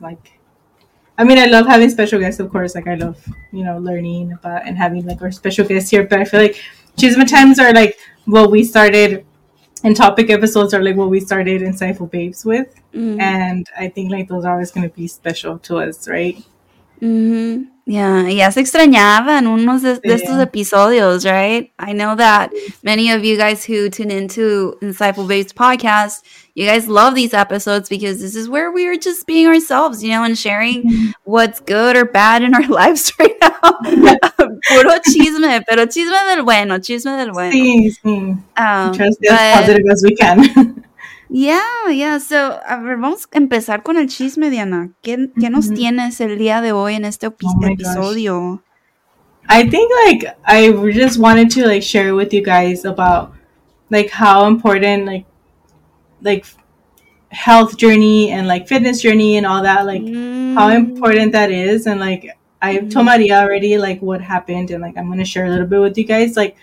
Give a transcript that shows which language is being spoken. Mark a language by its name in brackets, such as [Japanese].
[English] Like, I mean, I love having special guests, of course. Like, I love, you know, learning about and having like our special guests here. But I feel like chisme times are like what we started. And topic episodes are like what we started Insightful Babes with. Mm-hmm. And I think like those are always going to be special to us, right? Mm-hmm. Yeah. [Spanish] Ya se extrañaban unos de estos episodios, right? [English] I know that many of you guys who tune into Insightful Babes podcast, you guys love these episodes because this is where we are just being ourselves, you know, and sharing what's good or bad in our lives right now. [Spanish] Puro chisme, pero chisme del bueno, chisme del bueno. Sí, sí. [English] Try to be as positive as we can. Yeah. [Spanish] So, a ver, vamos a empezar con el chisme, Diana. ¿Qué nos tienes el día de hoy en este episodio? [English] I think, like, I just wanted to, like, share with you guys about, like, how important, like health journey and, like, fitness journey and all that, like, how important that is. And, like, I've told Maria already, like, what happened, and, like, I'm going to share a little bit with you guys.